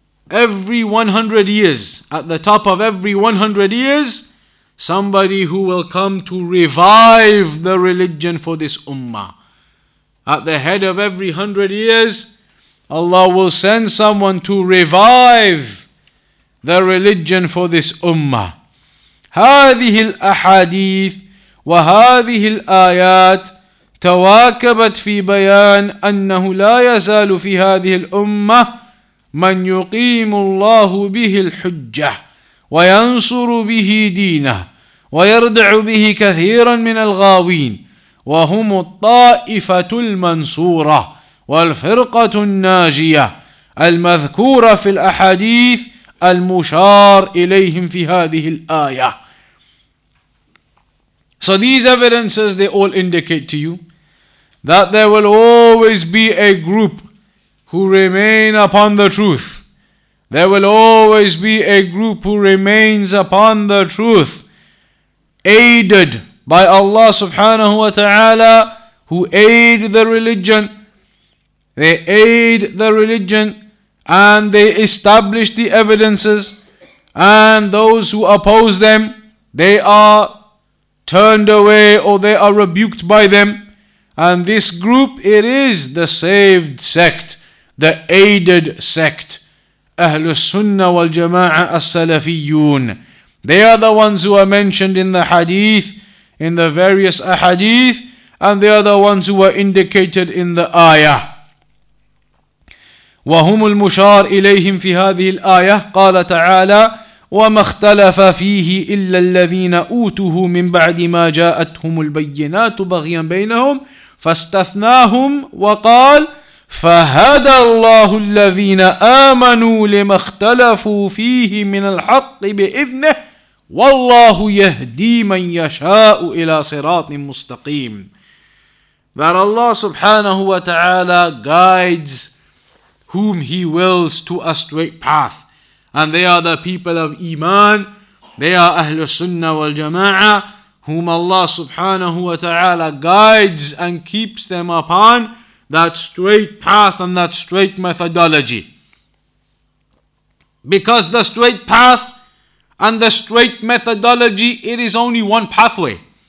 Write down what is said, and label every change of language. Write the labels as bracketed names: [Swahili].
[English] every 100 years, at the top of every 100 years, somebody who will come to revive the religion for this ummah. At the head of every 100 years, Allah will send someone to revive the religion for this ummah. [Arabic] هذه الأحاديث وهذه الآيات تواكبت في بيان أنه لا يزال في هذه الأمة من يقيم الله به الحجة وينصر به دينه ويردع به كثيرا من الغاوين وهم الطائفة المنصورة والفرقة الناجية المذكورة في الأحاديث المشار إليهم في هذه الآية [English] So these evidences, they all indicate to you that there will always be a group who remain upon the truth. There will always be a group who remains upon the truth, aided by Allah subhanahu wa ta'ala, who aid the religion. They aid the religion and they establish the evidences, and those who oppose them, they are turned away or they are rebuked by them. And this group, it is the saved sect, the aided sect. Ahlus Sunnah wal Jama'ah as-Salafiyyun. They are the ones who are mentioned in the hadith, in the various ahadith, and they are the ones who were indicated in the ayah. [Arabic] وهم المشار إليهم في هذه الآية قال تعالى وما اختلف فيه إلا الذين أوتوه من بعد ما جاءتهم البينات بغيا بينهم فاستثناهم وقال فهدى الله الذين آمنوا لما اختلفوا فيه من الحق بإذنه والله يهدي من يشاء إلى صراط مستقيم [English] That Allah subhanahu wa ta'ala guides whom He wills to a straight path. And they are the people of Iman. They are Ahlul Sunnah wal Jama'ah, whom Allah subhanahu wa ta'ala guides and keeps them upon that straight path and that straight methodology. Because the straight path and the straight methodology, it is only one pathway.